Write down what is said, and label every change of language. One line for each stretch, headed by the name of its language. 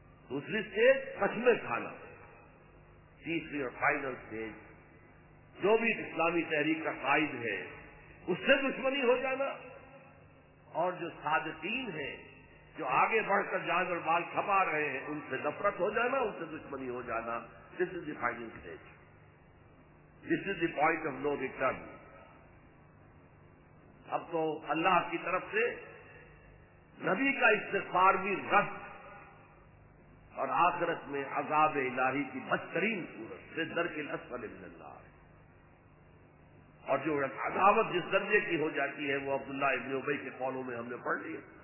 Urdu: دوسری سے قسمے کھانا. تیسری اور فائنل سٹیج جو بھی اسلامی تحریک کا قائد ہے اس سے دشمنی ہو جانا, اور جو صادقین ہیں جو آگے بڑھ کر جان اور مال کھپا رہے ہیں ان سے نفرت ہو جانا, ان سے دشمنی ہو جانا.
English: This is the final stage, this is the point of no return.
Urdu: اب تو اللہ کی طرف سے نبی کا استغفار بھی رد, اور آخرت میں عذاب الہی کی بدترین صورت سے
Arabic: درک الاسفل من النار.
Urdu: اور جو عذابت جس درجے کی ہو جاتی ہے وہ عبداللہ ابن ابی کے قولوں میں ہم نے پڑھ لی.